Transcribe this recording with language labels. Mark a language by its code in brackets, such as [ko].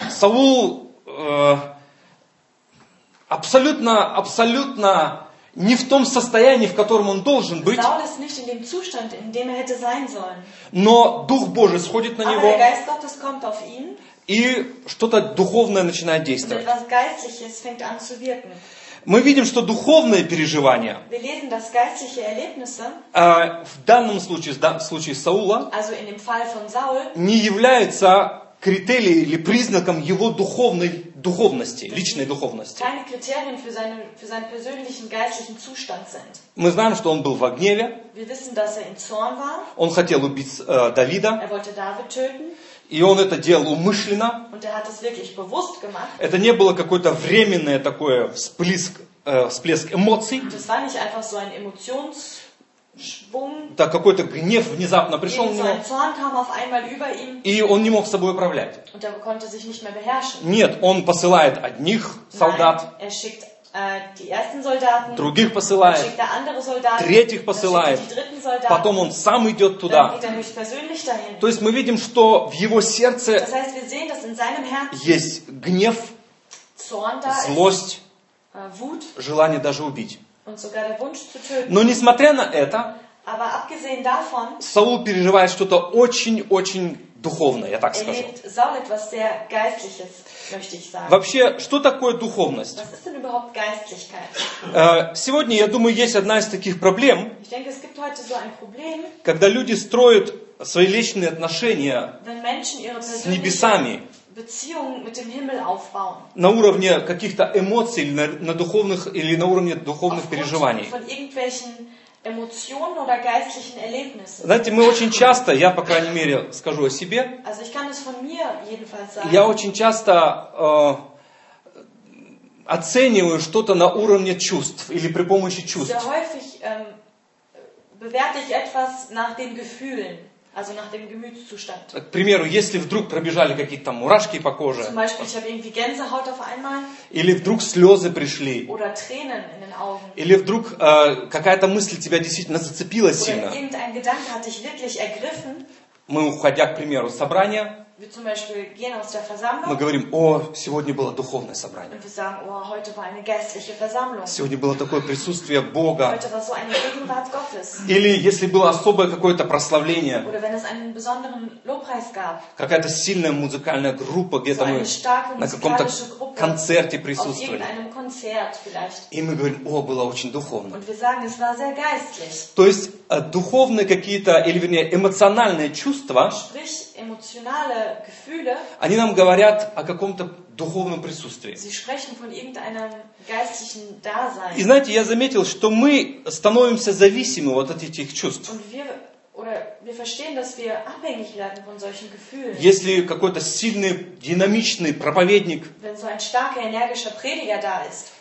[ru] Саул абсолютно не в том состоянии, в котором он должен быть. [de] Saul ist nicht in dem Zustand, in dem er hätte sein sollen. [ru] Но Дух Божий сходит на [de] Aber [ru] него. [de] Der Geist Gottes kommt auf ihn. [ru] И что-то духовное начинает действовать. [de] Etwas Geistliches fängt an zu wirken. [ru] Мы видим, что духовные переживания [de] Wir lesen, dass geistliche Erlebnisse, [ru] в данном случае, в случае Саула, [de] also in dem Fall von Saul, [ru] не являются критерием или признаком его духовности, личной духовности. [de] Keine Kriterien für seinen persönlichen geistlichen Zustand sind. [ru] Мы знаем, что он был во гневе. [de] Wir wissen, dass er in Zorn war. [ru] Он хотел убить Давида. [de] Er wollte David töten. [ru] И он это делал умышленно. [de] Und er hat es wirklich bewusst gemacht. [ru] Это не было какое-то временное такое всплеск эмоций. [de] Das war nicht einfach so ein Emotionsschwung. [ru] Да, какой-то гнев внезапно пришел на него. [de] Zorn kam auf einmal über ihn. [ru] И он не мог собой управлять. [de] Und er konnte sich nicht mehr beherrschen. [ru] Нет, он посылает одних солдат. [de] Nein, er schickt die ersten Soldaten. [ru] Других посылает. [de] Schickt er andere Soldaten. [ru] Третьих посылает. [de] Die dritten Soldaten. [ru] Потом он сам идет туда. [de] Dann geht er persönlich dahin. [ru] То есть мы видим, что в его сердце [de] das heißt, wir sehen, dass in seinem Herzen [ru] есть гнев, [de] Zorn da [ru] злость, [de] Wut, [ru] желание даже убить. [de] Und sogar der Wunsch zu töten. [ru] Но несмотря на это, [de] Aber abgesehen davon, [ru] Саул переживает что-то очень-очень духовное, я так скажу. [de] Saul etwas sehr Geistliches, möchte ich sagen. [ru] Вообще, что такое духовность? [de] Was ist denn überhaupt Geistlichkeit? [ru] Сегодня, я думаю, есть одна из таких проблем, [de] ich denke, es gibt heute so ein Problem, [ru] когда люди строят свои личные отношения [de] wenn Menschen ihre persönliche [ru] с небесами [de] Beziehung mit dem Himmel aufbauen, [ru] на уровне каких-то эмоций на духовных, или на уровне духовных переживаний. [de] Von irgendwelchen Emotionen oder geistlichen Erlebnissen. [ru] Знаете, мы очень часто, я по крайней мере скажу о себе, [de] also ich kann es von mir jedenfalls sagen, [ru] я очень часто оцениваю что-то на уровне чувств или при помощи чувств. [de] Sehr häufig bewerte ich etwas nach den Gefühlen, also nach dem Gemütszustand. [ru] К примеру, если вдруг пробежали какие-то там мурашки по коже, [de] zum Beispiel, ich habe irgendwie Gänsehaut auf einmal, [ru] или вдруг слезы пришли, [de] oder Tränen in den Augen, [ru] или вдруг какая-то мысль тебя действительно зацепила сильно, [de] oder irgendein Gedanke hat dich wirklich ergriffen, [ru] мы, уходя, к примеру, с собрания, [de] wir zum Beispiel gehen aus der Versammlung, [ru] мы говорим, о, сегодня было духовное собрание, [de] und wir sagen, oh, heute war eine geistliche Versammlung, [ru] сегодня было такое присутствие Бога, [de] heute war so eine Gegenwart Gottes, [ru] или если было особое какое-то прославление, [de] oder wenn es einen besonderen Lobpreis gab, [ru] какая-то сильная музыкальная группа, где-то [de] so [ru] мы на каком-то концерте присутствовали, [de] auf irgendeinem Konzert vielleicht, [ru] и мы говорим, о, было очень духовно, [de] und wir sagen, es war sehr geistlich, [ru] то есть духовные какие-то, или вернее эмоциональные чувства, [de] sprich emotionale Gefühle, [ru] они нам говорят о каком-то духовном присутствии. [de] Sie sprechen von irgendeinem geistlichen Dasein. [ru] И знаете, я заметил, что мы становимся зависимы вот от этих чувств. [de] Und wir, oder wir verstehen, dass wir abhängig werden von solchen Gefühlen. [ru] Если какой-то сильный, динамичный проповедник, [de] wenn so ein starker, energischer Prediger da ist,